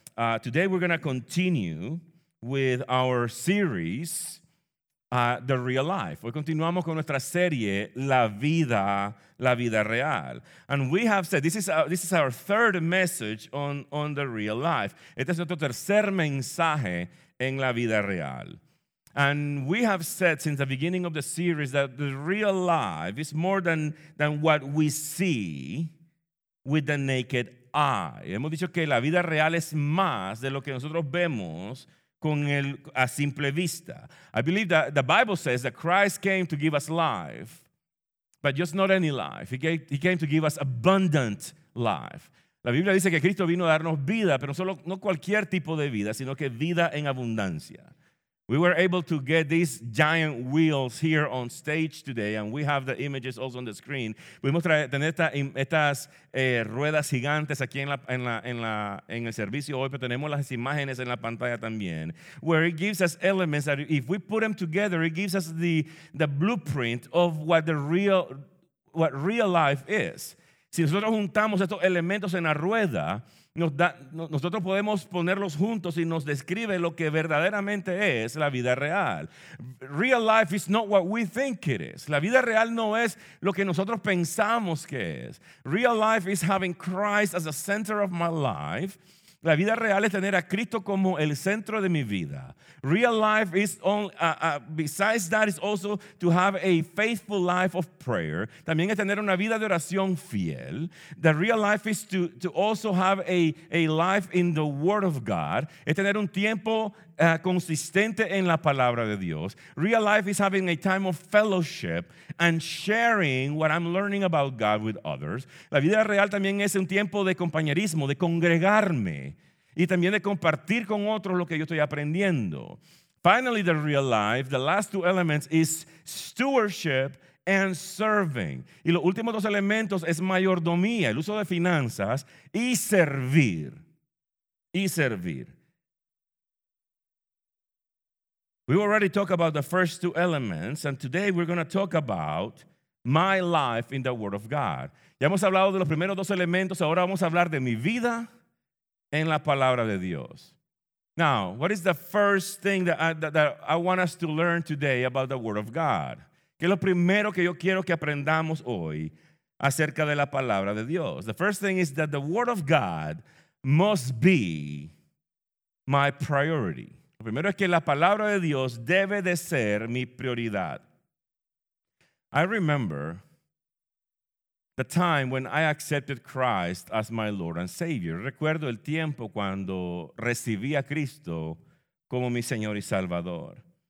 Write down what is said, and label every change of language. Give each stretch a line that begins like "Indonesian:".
English: Today we're going to continue with our series, The Real Life.
Spanish: Hoy continuamos con nuestra serie, La Vida Real.
English: And we have said, this is our third message on The Real Life.
Spanish: Este es nuestro tercer mensaje en La Vida Real.
English: And we have said since the beginning of the series that the real life is more than what we see with the naked eye.
Spanish: Hemos dicho que la vida real es más de lo que nosotros vemos con el a simple vista.
English: I believe that the Bible says that Christ came to give us life, but just not any life. He came to give us abundant life.
Spanish: La Biblia dice que Cristo vino a darnos vida, pero no cualquier tipo de vida, sino que vida en abundancia.
English: We were able to get these giant wheels here on stage today, and we have the images also on the screen.
Spanish: Pudimos tener estas ruedas gigantes aquí en el servicio hoy, pero tenemos las imágenes en la pantalla también,
English: where it gives us elements that if we put them together, it gives us the blueprint of what real life is.
Spanish: Si nosotros juntamos estos elementos en la rueda, nosotros podemos ponerlos juntos y nos describe lo que verdaderamente es la vida real.
English: Real life is not what we think it is.
Spanish: La vida real no es lo que nosotros pensamos que es.
English: Real life is having Christ as the center of my life.
Spanish: La vida real es tener a Cristo como el centro de mi vida.
English: Real life is only, besides that, is also to have a faithful life of prayer.
Spanish: También es tener una vida de oración fiel.
English: The real life is to also have a life in the Word of God.
Spanish: Es tener un tiempo consistente en la palabra de Dios.
English: Real life is having a time of fellowship and sharing what I'm learning about God with others.
Spanish: La vida real también es un tiempo de compañerismo, de congregarme, y también de compartir con otros lo que yo estoy aprendiendo.
English: Finally, the real life, the last two elements, is stewardship and serving.
Spanish: Y los últimos dos elementos es mayordomía, el uso de finanzas, y servir. Y servir.
English: We already talked about the first two elements, and today we're going to talk about my life in the Word of God.
Spanish: Ya hemos hablado de los primeros dos elementos, ahora vamos a hablar de mi vida en la palabra de Dios.
English: Now, what is the first thing that I want us to learn today about the Word of God?
Spanish: ¿Qué es lo primero que yo quiero que aprendamos hoy acerca de la palabra de Dios?
English: The first thing is that the Word of God must be my priority.
Spanish: Lo primero es que la palabra de Dios debe de ser mi prioridad.
English: I remember the time when I accepted Christ as my Lord and Savior.
Spanish: Recuerdo el tiempo cuando recibí a Cristo como mi Señor y Salvador.